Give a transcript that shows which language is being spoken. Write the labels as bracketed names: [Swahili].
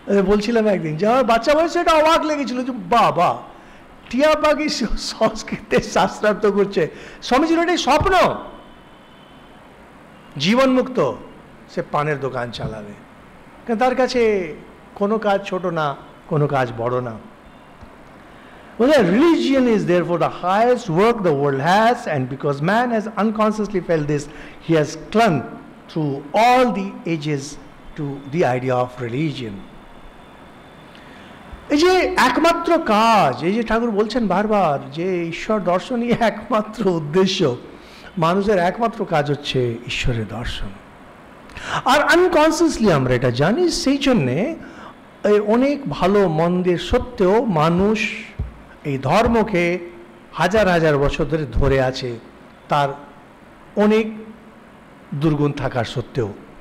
[Bangla] বলছিলাম একদিন যে আমার বাচ্চা বয়সে এটা অবাক লেগেছিল, যে বাবা টিয়া পাখি সংস্কৃতে শাস্ত্রার্থ করছে, স্বামীজির এটাই স্বপ্ন, জীবন মুক্ত সে পানের দোকান চালাবে। কারণ তার কাছে কোনো কাজ ছোট না, কোনো কাজ বড় না। [English] Well, religion is therefore the highest work the world has, and because man has unconsciously felt this, he has clung through all the ages to the idea of religion. [Bangla] এই যে একমাত্র কাজ, এই যে ঠাকুর বলছেন বারবার যে ঈশ্বর দর্শনই একমাত্র উদ্দেশ্য, মানুষের একমাত্র কাজ হচ্ছে ঈশ্বরের দর্শন। আর আনকনসিয়াসলি আমরা এটা জানি, সেই জন্যে এই অনেক ভালো মন্দের সত্ত্বেও মানুষ এই ধর্মকে হাজার হাজার বছর ধরে ধরে আছে, তার অনেক দুর্গুণ থাকার সত্ত্বেও।